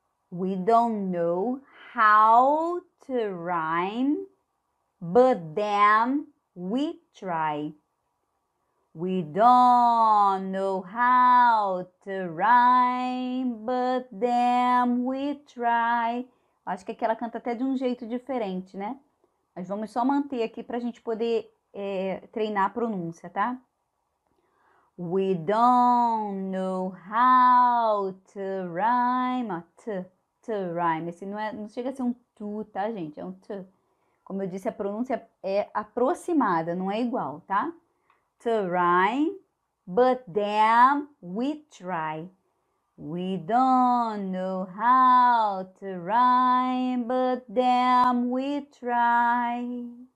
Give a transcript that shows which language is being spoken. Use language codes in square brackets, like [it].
[en] We don't know how to rhyme, but damn, we try. We don't know how to rhyme, but damn, we try. [pt] Acho que aqui ela canta até de um jeito diferente, né? Mas vamos só manter aqui para a gente poder treinar a pronúncia, tá? [en] We don't know how to rhyme. Ó, to rhyme. [pt] Esse não é, não chega a ser um to, tá, gente? É um to. Como eu disse, a pronúncia é aproximada, não é igual, tá? [en] To rhyme, but damn, we try. We don't know how to rhyme, but damn, we try.